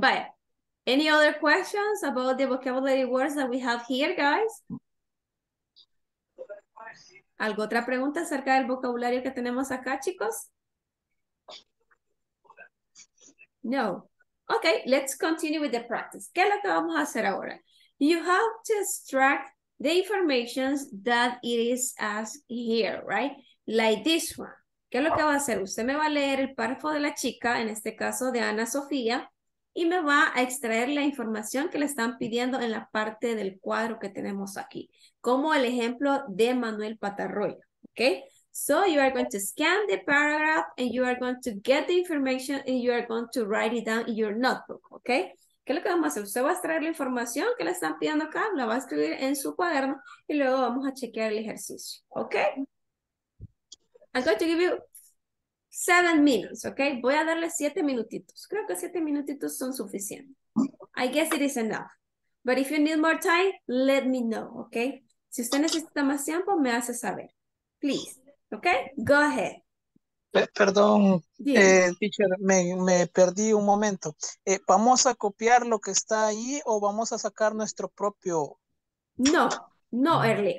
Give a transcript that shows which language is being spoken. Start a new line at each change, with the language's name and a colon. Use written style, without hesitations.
English: But any other questions about the vocabulary words that we have here, guys?
Spanish: ¿Algo otra pregunta acerca del vocabulario que tenemos acá, chicos?
English: No. Okay, let's continue with the practice.
Spanish: ¿Qué es lo que vamos a hacer ahora?
English: You have to extract the information that it is asked here, right? Like this one.
Spanish: ¿Qué es lo que va a hacer? Usted me va a leer el párrafo de la chica, en este caso de Ana Sofía, y me va a extraer la información que le están pidiendo en la parte del cuadro que tenemos aquí, como el ejemplo de Manuel Patarroyo, ¿ok?
English: So you are going to scan the paragraph and you are going to get the information and you are going to write it down in your notebook, ¿ok?
Spanish: ¿Qué es lo que vamos a hacer? Usted va a extraer la información que le están pidiendo acá, la va a escribir en su cuaderno y luego vamos a chequear el ejercicio, ¿ok?
English: I'm going to give you 7 minutes, okay?
Spanish: Voy a darle 7 minutitos. Creo que 7 minutitos son suficientes.
English: I guess it is enough. But if you need more time, let me know, okay?
Spanish: Si usted necesita más tiempo, me hace saber.
English: Please, okay? Go ahead.
Spanish: Perdón, teacher, me perdí un momento. ¿Vamos a copiar lo que está ahí o vamos a sacar nuestro propio? No. No, Early.